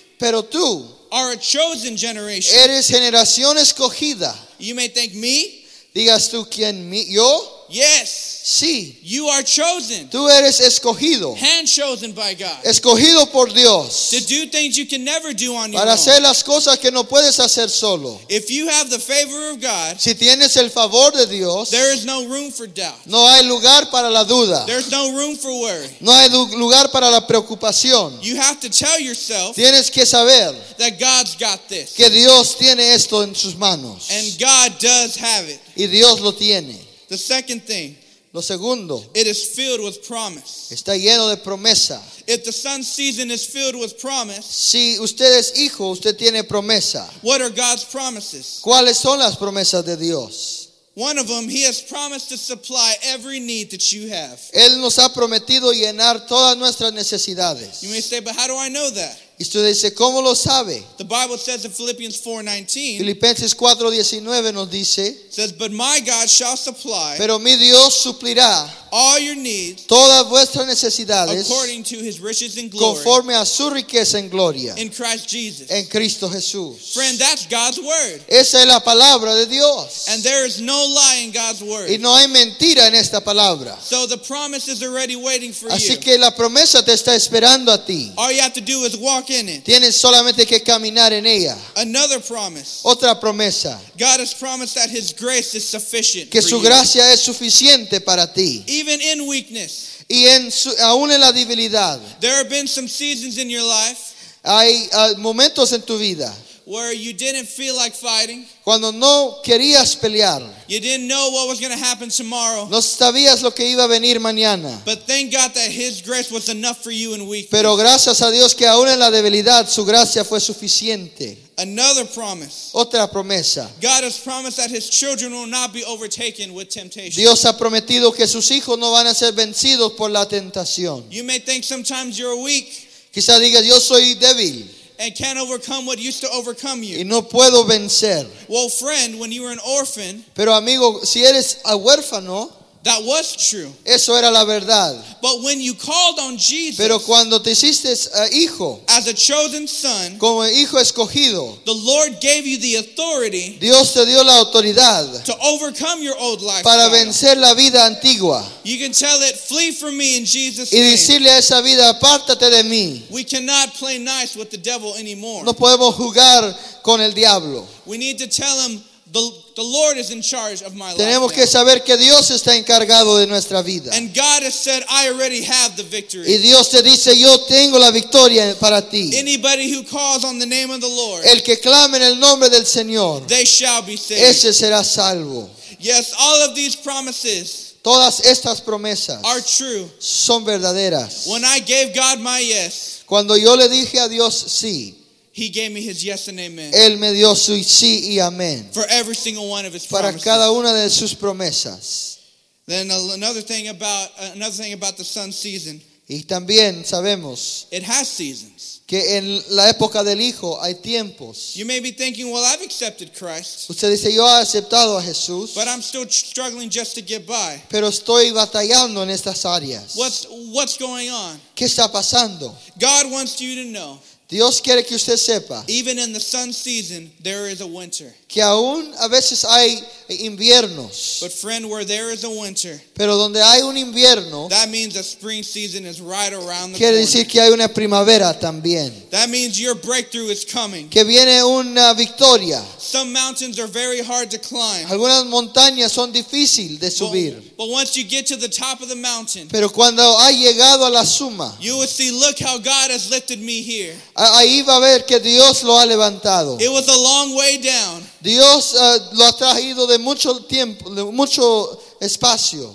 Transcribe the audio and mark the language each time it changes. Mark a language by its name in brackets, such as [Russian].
[Spanish] pero tú, [English] are a chosen generation. [Spanish] Eres generación escogida. [English] You may think me. [Spanish] Digas tú quién, yo. [English] Yes. [Spanish] Sí. [English] You are chosen. [Spanish] Tú eres escogido. [English] Hand chosen by God. [Spanish] Escogido por Dios. [English] To do things you can never do on your own. [Spanish] Para hacer las cosas que no puedes hacer solo. [English] If you have the favor of God, [Spanish] si tienes el favor de Dios, [English] there is no room for doubt. [Spanish] No hay lugar para la duda. [English] There's no room for worry. [Spanish] No hay lugar para la preocupación. [English] You have to tell yourself, [Spanish] tienes que saber, [English] that God's got this. [Spanish] Que Dios tiene esto en sus manos. [English] And God does have it. [Spanish] Y Dios lo tiene. [English] The second thing, [Spanish] lo segundo, [English] it is filled with promise. [Spanish] Está lleno de promesa. [English] If the son's season is filled with promise, [Spanish] si usted es hijo, usted tiene promesa. [English] What are God's promises? [Spanish] ¿Cuáles son las promesas de Dios? [English] One of them, he has promised to supply every need that you have. [Spanish] Él nos ha prometido llenar todas nuestras necesidades. [English] You may say, but how do I know that? [Spanish] Y usted dice, ¿cómo lo sabe? [English] The Bible says in Philippians 4:19. [Spanish] Filipenses 4:19 nos dice, [English] says, but my God shall supply. [Spanish] Pero mi Dios suplirá. [English] All your needs. [Spanish] Todas vuestras necesidades. [English] According to his riches and glory. [Spanish] Conforme a su riqueza en gloria. [English] In Christ Jesus. [Spanish] En Cristo Jesús. [English] Friend, that's God's word. [Spanish] Esa es la palabra de Dios. [English] And there is no lie in God's word. [Spanish] Y no hay mentira en esta palabra. [English] So the promise is already waiting for [Spanish] así [English] you. [Spanish] Así que la promesa te está esperando a ti. [English] All you have to do is walk. [Spanish] Tienes solamente que caminar en ella. [English] Another promise. [Spanish] Otra promesa. [English] God has promised that his grace is sufficient. [Spanish] Que su gracia es suficiente para ti. [English] Even in weakness. [Spanish] Y en su, aún en la debilidad. [English] There have been some seasons in your life. [Spanish] Hay momentos en tu vida. [English] Where you didn't feel like fighting. [Spanish] Cuando no querías pelear. [English] You didn't know what was going to happen tomorrow. [Spanish] No sabías lo que iba a venir mañana. [English] But thank God that his grace was enough for you in weakness. [Spanish] Pero gracias a Dios que aún en la debilidad su gracia fue suficiente. [English] Another promise. [Spanish] Otra promesa. [English] God has promised that his children will not be overtaken with temptation. [Spanish] Dios ha prometido que sus hijos no van a ser vencidos por la tentación. [English] You may think sometimes you're weak. [Spanish] Quizá digas yo soy débil. [English] And can't overcome what used to overcome you. [Spanish] Y no puedo vencer. [English] Well, friend, when you were an orphan, [Spanish] pero amigo, si eres huérfano, [English] that was true. [Spanish] Eso era la verdad. [English] But when you called on Jesus, [Spanish] pero cuando te hiciste hijo, [English] as a chosen son, [Spanish] como hijo escogido, [English] the Lord gave you the authority, [Spanish] Dios te dio la autoridad, [English] to overcome your old life, [Spanish] para vencer la vida antigua. [English] You can tell it, flee from me in Jesus' [Spanish] name. Y decirle a esa vida, apártate de mí. [English] We cannot play nice with the devil anymore. [Spanish] No podemos jugar con el diablo. [English] We need to tell him, the Lord is in charge of my life. [Spanish] Tenemos que saber que Dios está encargado de nuestra vida. [English] And God has said, I already have the victory. [Spanish] Y Dios te dice, yo tengo la victoria para ti. [English] Anybody who calls on the name of the Lord, [Spanish] el que clame en el nombre del Señor, [English] they shall be saved. [Spanish] Ese será salvo. [English] Yes, all of these promises, [Spanish] todas estas promesas, [English] are true. [Spanish] Son verdaderas. [English] When I gave God my yes, [Spanish] cuando yo le dije a Dios sí, [English] he gave me his yes and amen. [Spanish] Él me dio su sí y amén. [English] For every single one of his [Spanish] para [English] promises. [Spanish] Cada una de sus promesas. [English] Then another thing about the son's season. [Spanish] Y también sabemos. [English] It has seasons. [Spanish] Que en la época del hijo hay tiempos. [English] You may be thinking, well, I've accepted Christ. [Spanish] Usted dice, yo he aceptado a Jesús. [English] But I'm still struggling just to get by. [Spanish] Pero estoy batallando en estas áreas. [English] What's going on? [Spanish] ¿Qué está pasando? [English] God wants you to know. [Spanish] Dios quiere que usted sepa. [English] Even in the sun season, there is a winter. [Spanish] Que aún a veces hay inviernos. [English] But friend, where there is a winter, [Spanish] pero donde hay un invierno, [English] that means a spring season is right around the [Spanish] quiere [English] corner. [Spanish] Decir que hay una primavera también. [English] That means your breakthrough is coming. [Spanish] Que viene una victoria. [English] Some mountains are very hard to climb. [Spanish] Algunas montañas son difícil de subir. [English] But once you get to the top of the mountain, [Spanish] pero cuando ha llegado a la suma, [English] you will see, look how God has lifted me here. [Spanish] Ahí va a ver que Dios lo ha levantado. [English] It was a long way down. [Spanish] Dios lo ha traído de mucho tiempo, de mucho espacio.